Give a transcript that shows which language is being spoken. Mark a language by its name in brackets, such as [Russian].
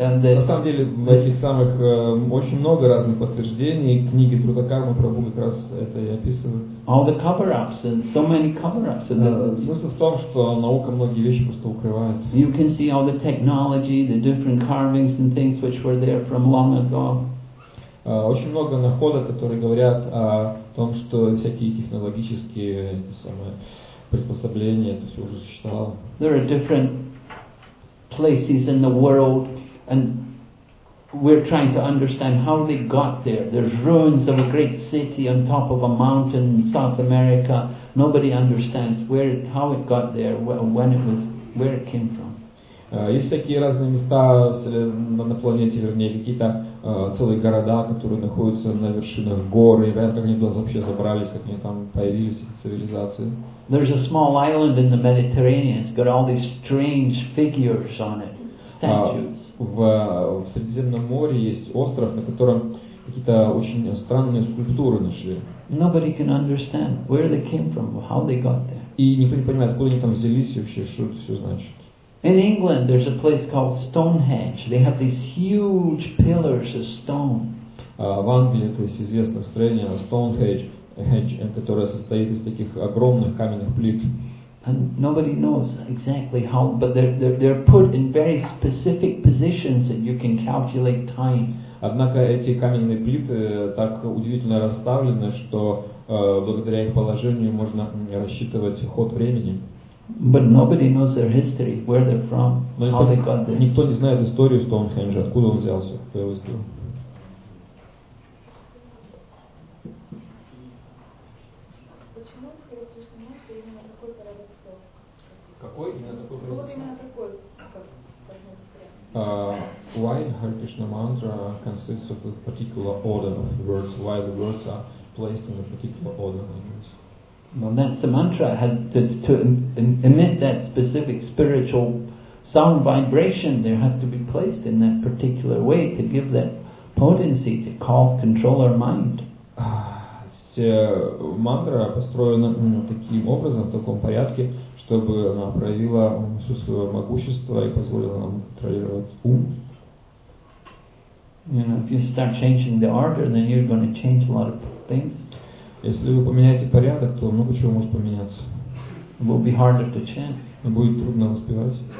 [Russian] And the, на самом деле, в этих самых очень много разных подтверждений книги Друдакармы Прабху как раз это и описывает. [English] All the cover-ups and so many cover-ups. [Russian] Смысл в том, что наука многие вещи просто укрывает. [English] You can see all the technology, the different carvings and things which were there from long ago. [Russian] Очень много находок, которые говорят о том, что всякие технологические эти самые приспособления, это все уже существовало. [English] There are different places in the world, and we're trying to understand how they got there. There's ruins of a great city on top of a mountain in South America. Nobody understands where, how it got there, when it was, where it came from. [Russian] Есть всякие разные места на планете, вернее, какие-то целые города, которые находятся на вершинах гор, и понятно, как они туда вообще забрались, как они там появились, эти цивилизации. [English] There's a small island in the Mediterranean. It's got all these strange figures on it, statues. [Russian] В Средиземном море есть остров, на котором какие-то очень странные скульптуры нашли. [English] Nobody can understand where they came from, how they got there. [Russian] И никто не понимает, откуда они там взялись и вообще, что это все значит. [English] In England, there's a place called Stonehenge. They have these huge pillars of stone. [Russian] В Англии это есть известное строение Stonehenge, которое состоит из таких огромных каменных плит. [English] And nobody knows exactly how, but they're put in very specific positions that you can calculate time. [Russian] Однако эти каменные плиты так удивительно расставлены, что благодаря их положению можно рассчитывать ход времени. [English] But nobody knows their history, where they're from, how they got there. [Russian] Никто не знает историю Стоунхенджа, откуда он взялся, кто его сделал. Почему в Харикришне Махе именно такой парадокс? Какой? Именно такой парадокс? Вот именно такой, как [English] Why Харикришна Мантра consists of a particular order of words? Why the words are placed in a particular order? Well, that's the mantra, has to emit that specific spiritual sound vibration, they have to be placed in that particular way to give that potency to call, control our mind. [Russian] Мантра построена таким образом, в таком порядке, чтобы она проявила все свое могущество и позволила нам контролировать ум. [English] You know, if you start changing the order, then you're going to change a lot of things. [Russian] Если вы поменяете порядок, то много чего может поменяться. [English] It will be harder to chant. [Russian] Будет трудно воспевать.